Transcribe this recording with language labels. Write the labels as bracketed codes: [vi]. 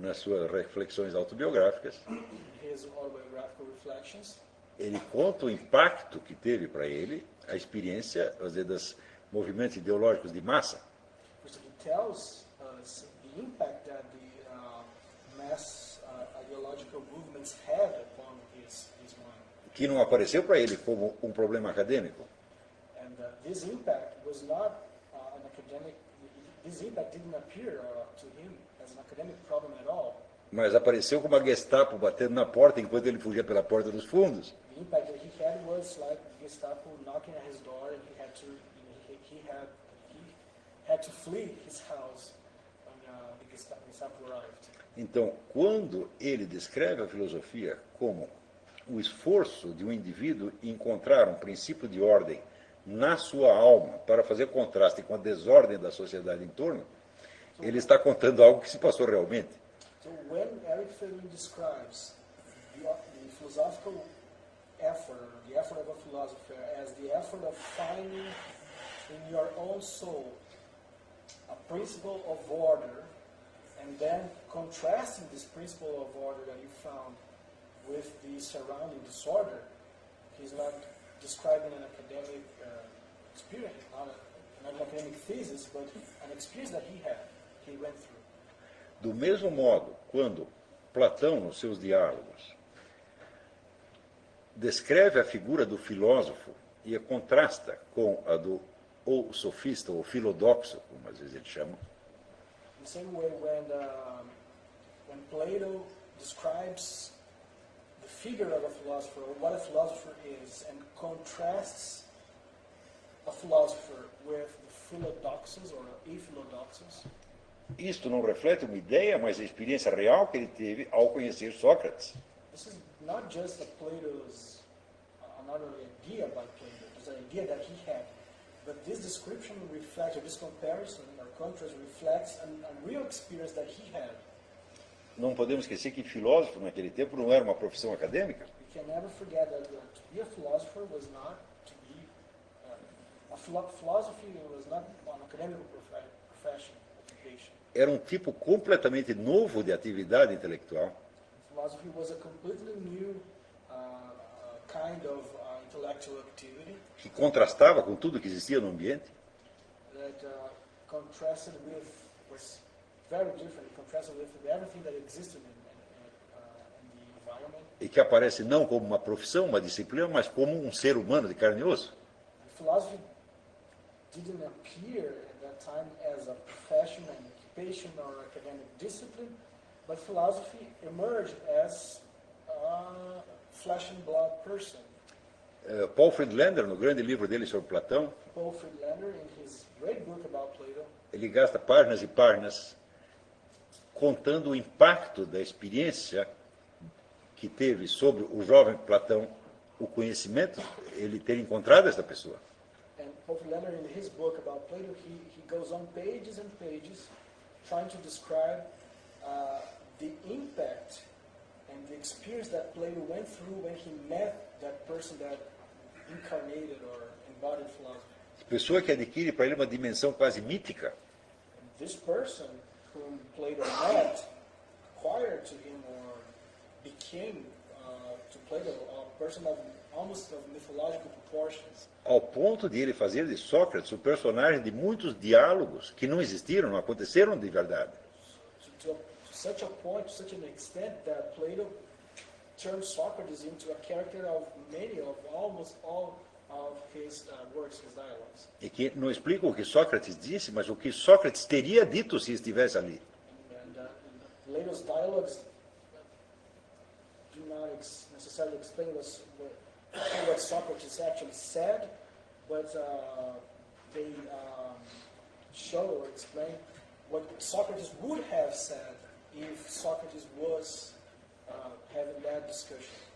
[pt] nas suas reflexões autobiográficas, [en] his autobiographical reflections, [pt] ele conta o impacto que teve para ele a experiência, quer dizer, dos movimentos ideológicos de massa. [en] He tells us the impact that the mass ideological movements had upon his mind. [pt] Que não apareceu para ele como um problema acadêmico. [en] And this impact was not an academic. This impact didn't appear to him as an academic problem at all. [pt] Mas apareceu como a Gestapo batendo na porta enquanto ele fugia pela porta dos fundos. [en] The impact that he had was like Gestapo knocking at his door and he had to flee his house when the Gestapo arrived. [pt] Então, quando ele descreve a filosofia como o esforço de um indivíduo encontrar um princípio de ordem na sua alma, para fazer contraste com a desordem da sociedade em torno, ele está contando algo que se passou realmente. Então, quando [en] Eric Fermi [pt] descreve o filosófico [en] effort, o effort of a philosopher, as the effort of finding in your own soul a principle of order, and then contrasting this principle of order that you found with the surrounding disorder, he's not describing an academic experience, not an academic thesis, but an experience that he had, he went through. [pt] Do mesmo modo, quando Platão, nos seus diálogos, descreve a figura do filósofo e a contrasta com a do ou sofista ou filodoxo, como às vezes ele chama. [en] The same way when when Plato describes the figure of a philosopher or what a philosopher is and contrasts a philosopher with the philodoxos or the philodoxos. [pt] Isto não reflete uma ideia, mas a experiência real que ele teve ao conhecer Sócrates. [en] This is not just a Plato's idea by Plato, it's an idea that he had. But this description reflects, or this comparison, or contrast, reflects a real experience that he had. [pt] Não podemos esquecer que filósofo naquele tempo não era uma profissão acadêmica. [en] We can never forget that to be a philosopher was not to be philosophy was not an academic profession. [pt] Era um tipo completamente novo de atividade intelectual. [en] Philosophy was a completely new kind of intellectual activity. [pt] Que contrastava com tudo que existia no ambiente. [en] That contrasted with, was very different, contrasted with everything that existed in the environment. [pt] E que aparece não como uma profissão, uma disciplina, mas como um ser humano de carne e osso. [en] Philosophy didn't appear at that time as a profession and occupation or academic discipline, but philosophy emerged as a flesh and blood person. [pt] Paul Friedlander, no grande livro dele sobre Platão, [en] Paul Friedlander, in his great book about Plato, [pt] ele gasta páginas e páginas contando o impacto da experiência que teve sobre o jovem Platão, o conhecimento, ele ter encontrado esta pessoa. [en] And Paul Friedlander, in his book about Plato, he goes on pages and pages trying to describe the impact and the experience that Plato went through when he met that person that incarnated or embodied philosophy. [pt] Pessoa que adquire para ele uma dimensão quase mítica. [en] And this person whom Plato met acquired to him or became to Plato a person of almost of mythological proportions. [pt] Ao ponto de ele fazer de Sócrates o personagem de muitos diálogos que não existiram, não aconteceram de verdade. [en] To such a point, to such an extent that Plato turned Socrates into a character of many of almost all of his works, his dialogues. [pt] E que não explica o que Sócrates disse, mas o que Sócrates teria dito se estivesse ali. [en] And Plato's dialogues do not necessarily explain what Socrates actually said, but they show or explain what Socrates would have said if Socrates was having that discussion.